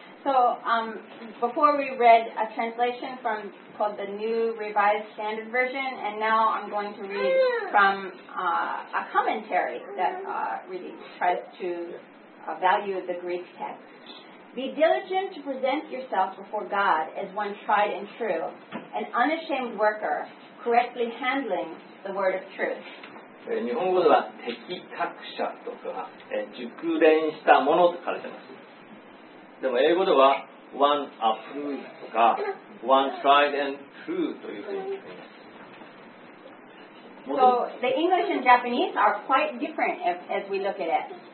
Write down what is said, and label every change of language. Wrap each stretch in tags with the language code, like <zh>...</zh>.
<en>So, before we read a translation called the New Revised Standard Version, and now I'm going to read from a commentary that really tries to value the Greek text. Be diligent to present yourself before God as one tried and true, an unashamed worker, correctly handling the word of truth.</en> <ja>日本語では適格者とか熟練したものと書かれています。でも英語では</ja> <en>one approved</en> <ja>とか</ja> <en>one tried and true</en> <ja>というふうに言います。</ja> <en>So the English and Japanese are quite different as we look at it.</en>